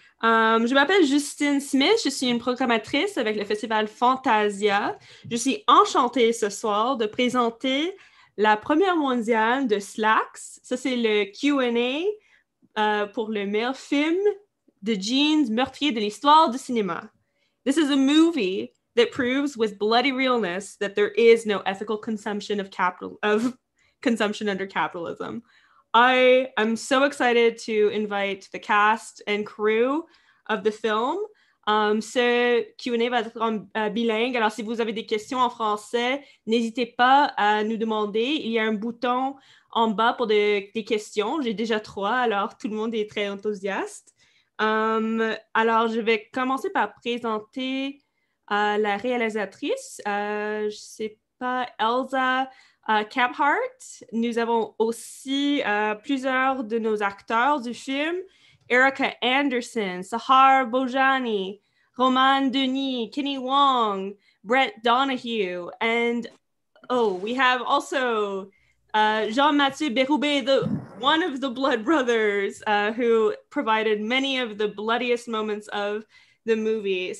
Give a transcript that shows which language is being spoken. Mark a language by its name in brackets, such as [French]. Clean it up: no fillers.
[French] Je m'appelle Justine Smith, je suis une programmatrice avec le festival Fantasia. Je suis enchantée ce soir de présenter la première mondiale de SLAXX. Ça, c'est le Q&A pour le meilleur film de jeans meurtrier de l'histoire du cinéma. [English] This is a movie that proves with bloody realness that there is no ethical consumption of capital of consumption under capitalism. I am so excited to invite the cast and crew of the film. [French] Ce Q&A va être en bilingue. Alors, si vous avez des questions en français, n'hésitez pas à nous demander. Il y a un bouton en bas pour des questions. J'ai déjà trois, alors tout le monde est très enthousiaste. Alors, je vais commencer par présenter la réalisatrice. Je sais pas, Elza. Kephart, nous avons aussi plusieurs de nos acteurs du film. [English] Erica Anderson, Sehar Bhojani, Romane, Denis, Kenny Wong, Brett Donahue, and oh, we have also Jean-Mathieu Bérubé, the one of the Blood Brothers, who provided many of the bloodiest moments of the movie.